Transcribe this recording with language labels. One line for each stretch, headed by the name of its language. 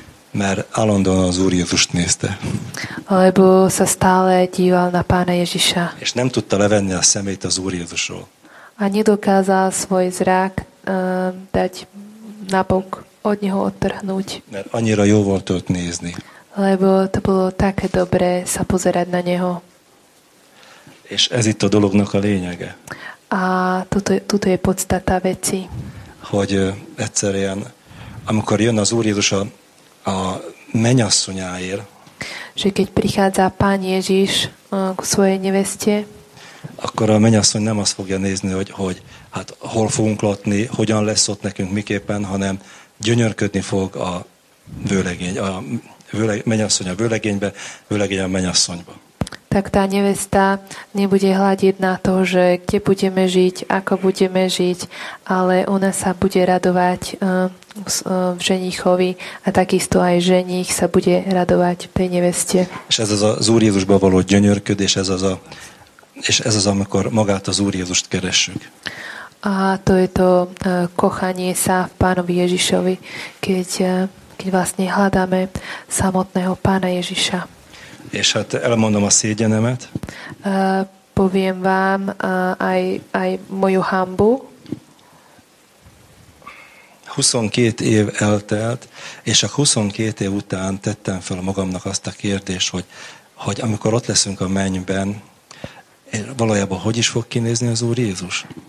Hungarian: Mert állandóan az Úr Jézust nézte.
Slovak: Lebo sa stále díval na Pána Ježiša.
Hungarian: És nem tudta levenni a szemét az Úr Jézusról.
Slovak: A nedokázal svoj zrák dať nabok od neho odtrhnúť.
Hungarian: Mert annyira jó volt ott nézni.
Slovak: Lebo to bolo také dobré sa pozerať na neho.
Hungarian: És ez itt a dolognak a lényege.
Slovak: A tuto je podstata veci.
Hungarian: Hogy egyszerűen, amikor jön az Úr Jézus a menyasszonyáért,
Slovak: že keď prichádza Pán Ježiš ku svojej neveste,
Hungarian: akkor a menyasszony nem azt fogja nézni, hogy hát hol fogunk látni, hogyan lesz ott nekünk, miképpen, hanem gyönyörködni fog a vőlegény, menyasszony a vőlegénybe, vőlegény a menyasszonyba.
Slovak: Tak tá nevesta nebude hľadiť na to, že kde budeme žiť, ako budeme žiť, ale ona sa bude radovať v ženichovi a takisto aj ženich sa bude radovať v tej neveste.
Hungarian: És ez az az Úr Jézusba való gyönyörködés, ez az, amikor magát az Úr Jézust keressük.
Slovak: A to je to kochanie sa v Pánovi Ježišovi, keď vlastne hľadáme samotného Pána Ježiša.
Hungarian: És hát elmondom a szégyenemet.
Slovak: Poviem vám aj moju hambu.
Hungarian: 22 év eltelt, és a 22 év után tettem fel magamnak azt a kérdést, hogy amikor ott leszünk a mennyben, valójában hogy is fog kinézni az Úr Jézus?